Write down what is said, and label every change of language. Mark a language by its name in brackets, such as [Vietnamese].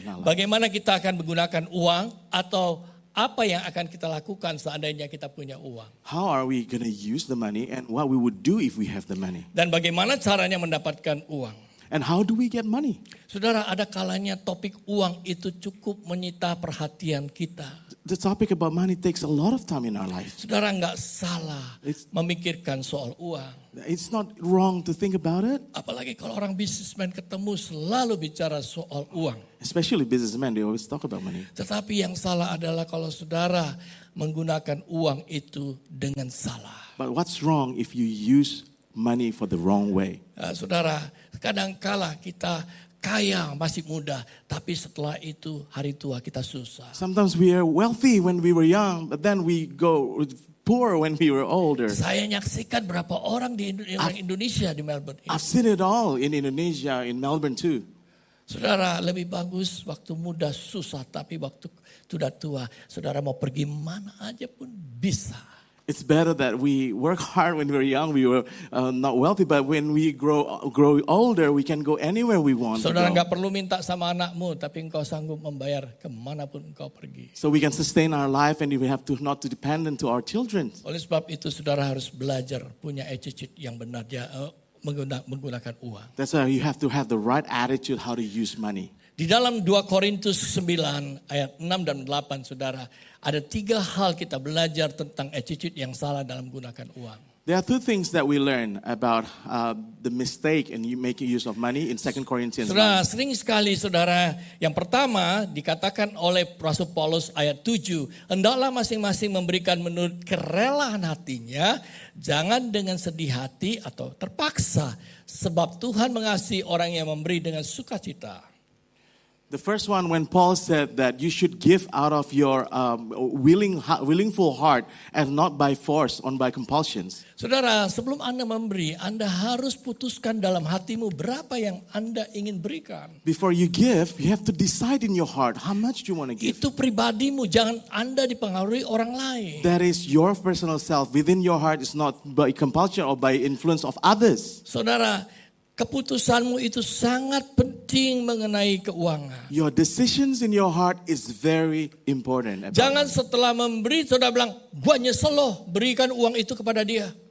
[Indonesian] Bagaimana kita akan menggunakan uang atau apa yang akan kita lakukan seandainya kita punya uang? [English] How are we going to use the money and what we would do if we have the money? [Indonesian] Dan bagaimana caranya mendapatkan uang? [English] And how do we get money? [Indonesian] Saudara, ada kalanya topik uang itu cukup menyita perhatian kita. [English] The topic about money takes a lot of time in our life. [Indonesian] Saudara, enggak salah memikirkan soal uang. [English] It's not wrong to think about it. [Indonesian] Apalagi kalau orang businessman ketemu selalu bicara soal uang. [English] Especially businessmen, they always talk about money. [Indonesian] Tetapi yang salah adalah kalau saudara menggunakan uang itu dengan salah. [English] But what's wrong if you use money for the wrong way? [Indonesian] Saudara, kadangkala kita kaya masih muda, tapi setelah itu hari tua kita susah. [English] Sometimes we are wealthy when we were young, but then we go poor when we were older. [Indonesian] Saya nyaksikan berapa orang di Indonesia di Melbourne. [English] I've seen it all in Indonesia, in Melbourne too. [Indonesian] Saudara, lebih bagus waktu muda susah, tapi waktu sudah tua, saudara mau pergi mana aja pun bisa. [English] It's better that we work hard when we were young, we were not wealthy, but when we grow older, we can go anywhere we want. [Indonesian] Saudara, enggak perlu minta sama anakmu, tapi engkau sanggup membayar kemanapun engkau pergi. [English] So we can sustain our life and we have to not to depend on our children. [Indonesian] Oleh sebab itu, saudara harus belajar punya attitude yang benar, ya, menggunakan uang. [English] That's why you have to have the right attitude how to use money. [Indonesian] Di dalam 2 Korintus 9 ayat 6 dan 8, saudara, ada tiga hal kita belajar tentang attitude yang salah dalam menggunakan uang. [English] There are two things that we learn about the mistake in making use of money in 2 Corinthians. [Indonesian] Saudara, sering sekali saudara, yang pertama dikatakan oleh Rasul Paulus ayat 7, hendaklah masing-masing memberikan menurut kerelaan hatinya, jangan dengan sedih hati atau terpaksa, sebab Tuhan mengasihi orang yang memberi dengan sukacita. [English] The first one, when Paul said that you should give out of your willingful heart and not by force or by compulsions. [Indonesian] Saudara, sebelum Anda memberi, Anda harus putuskan dalam hatimu berapa yang Anda ingin berikan. [English] Before you give, you have to decide in your heart how much you want to give. [Indonesian] Itu pribadimu, jangan Anda dipengaruhi orang lain. [English] That is your personal self within your heart. It's not by compulsion or by influence of others. [Indonesian] Saudara, keputusanmu itu sangat penting mengenai keuangan. [English] Your decisions in your heart is very important. [Indonesian] Jangan setelah memberi saudara bilang, gua nyesel loh berikan uang itu kepada dia.